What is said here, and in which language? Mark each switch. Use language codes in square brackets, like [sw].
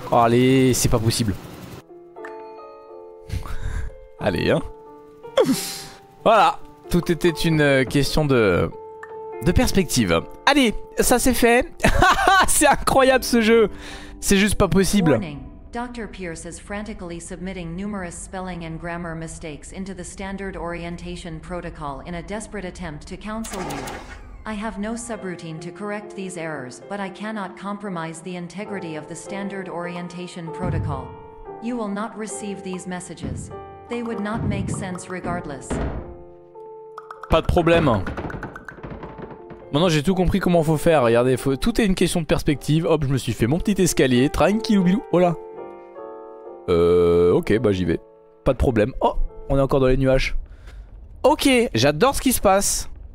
[fr] Oh, allez, c'est pas possible. Allez, hein. Voilà, tout était une question de perspective. Allez, ça c'est fait. C'est incroyable ce jeu. C'est juste pas possible. [en] Dr. Pierce is frantically submitting numerous spelling and grammar mistakes into the standard orientation protocol in a desperate attempt to counsel you. I have no subroutine to correct these errors, but I cannot compromise the integrity of the standard orientation protocol. You will not receive these messages. They would not make sense regardless. [fr] Pas de problème. Maintenant j'ai tout compris comment faut faire. Regardez, tout est une question de perspective. Hop, je me suis fait mon petit escalier. Tranquillou-bilou. Oh là. Ok, bah j'y vais. Pas de problème. Oh, on est encore dans les nuages. Ok, j'adore ce qui se passe.